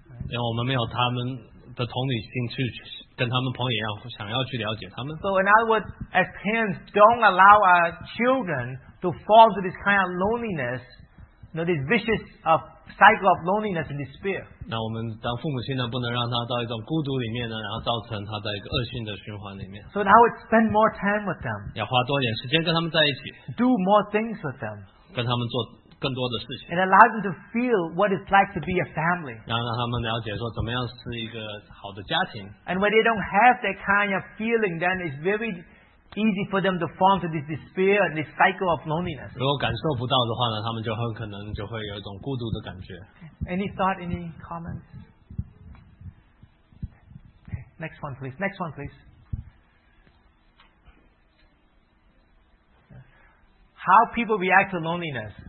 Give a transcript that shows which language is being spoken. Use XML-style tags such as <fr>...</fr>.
<zh>因为我们没有他们的同理心去。跟他们朋友一样，想要去了解他们。</zh> <en>So in other words, as parents, don't allow our children to fall to this kind of loneliness, you know, this vicious of cycle of loneliness and despair.</en> <zh>那我们当父母亲呢，不能让他到一种孤独里面呢，然后造成他在一个恶性的循环里面。</zh> <en>So in other words, spend more time with them.</en> <zh>要花多点时间跟他们在一起。</zh> <en>Do more things with them.</en> <zh>跟他们做。更多的事情,</zh> <en>and allow them to feel what it's like to be a family.</en> <zh>让他们了解说怎么样是一个好的家庭.</zh> <en>And when they don't have that kind of feeling, then it's very easy for them to fall into this despair and this cycle of loneliness.</en> <zh>如果感受不到的话呢, 他们就很可能就会有一种孤独的感觉.</zh> <en>Any thought, any comments? Okay, next one, please. Next one, please. How people react to loneliness?</en>